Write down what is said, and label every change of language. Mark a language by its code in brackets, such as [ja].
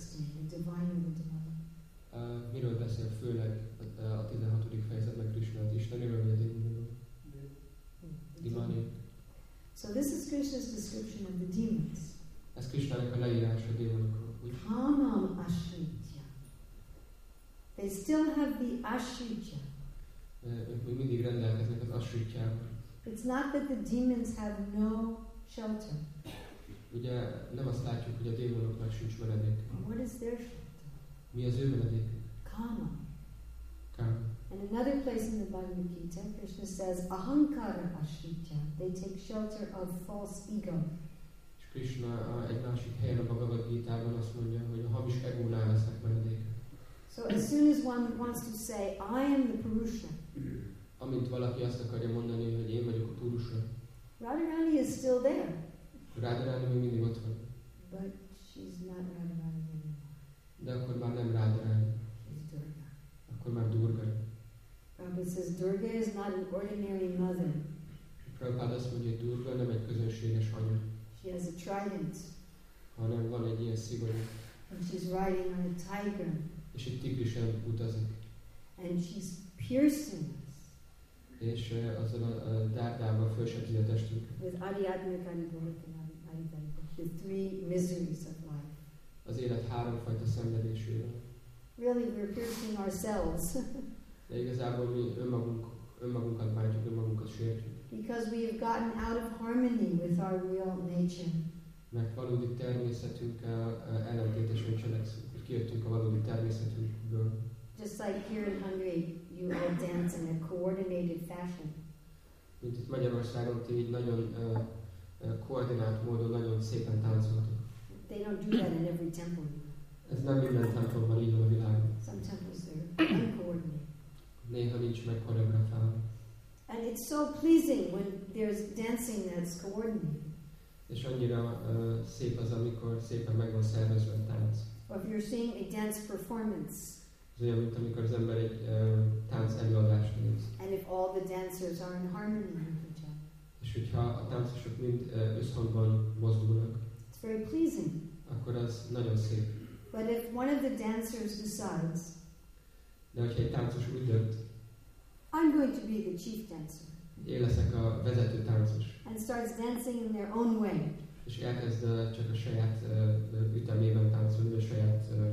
[en] What is he talking about mostly in 16? The divine and the demonic. [hu] Miről beszél főleg a 16. fejezetben Krishna, az Isteni, vagy a demonic? [en] Demonic. So this is Krishna's description of the demons. [hu] Ez Krishna-nak a leírása a démonokról. [sa] Kamam ashritya. [en] They still have the ashritya. [hu] Ők még mindig rendelkeznek az ashritya-val. [en] It's not that the demons have no shelter. [hu] Ugye nem azt látjuk, hogy a démonoknak sincs menedék. [en] What is their shelter? [hu] Mi az ő menedék? [sa] Kama. [hu] Kama. [en] And another place in the Bhagavad Gita, Krishna says, [sa] ahankara ashritya. [en] They take shelter of false ego. [hu] És Krishna egy másik helyen a Bhagavad Gita-ban azt mondja, hogy a hamis egónál lesznek menedék. [en] So as soon as one wants to say, I am the Purusha. [hu] Amint valaki azt akarja mondani, hogy én vagyok a Purusha. [en] Radharani is still there. [hu] Radharani még mindig ott van. [en] But she's not Radharani anymore. [hu] De akkor már nem Radharani. [en] She's Durga. [hu] Akkor már Durga. [en] Prabhupada says Durga is not an ordinary mother. [hu] Prabhupada azt mondja, Durga nem egy közönséges anya. [en] She has a trident. [hu] Hanem van egy ilyen szigorú. [en] And she's riding on a tiger. [hu] És egy tigrisen utazik. [en] And she's piercing. [hu] És azon a dárdában fölsebzi a testünk. [en] With the three miseries of life. [hu] Az élet háromfajta szenvedésével. [en] Really, we're piercing ourselves. [hu] De igazából mi önmagunkat bántjuk, önmagunkat sértjük. [en] Because we have gotten out of harmony with our real nature. [hu] Mert valódi természetünk ellentétesen cselekszünk. Kijöttünk a valódi természetünkből. [en] Just like here in Hungary, you all dance in a coordinated fashion. [hu] Mint itt Magyarországon, ti így nagyon koordinált módon, nagyon szépen táncoltok. [en] They don't do that in every temple. [hu] Ez nem minden templomban így van a világon. [en] Some temples are uncoordinated. [hu] Néha nincs meg koreográfálva. [en] And it's so pleasing when there's dancing that's coordinated. [hu] És annyira szép az, amikor szépen meg van szervezve a tánc. [en] Or if you're seeing a dance performance. [hu] Ez olyan, mint amikor az ember egy tánc előadást néz. [en] And if all the dancers are in harmony with each other. [hu] És hogyha a táncosok mind összhangban mozdulnak. [en] It's very pleasing. [hu] Akkor az nagyon szép. [en] But if one of the dancers decides. [hu] De hogyha egy táncos úgy dönt. [en] I'm going to be the chief dancer. [hu] Én leszek a vezető táncos. [en] And starts dancing in their own way. [hu] És elkezd csak a saját ütemében táncolni, a saját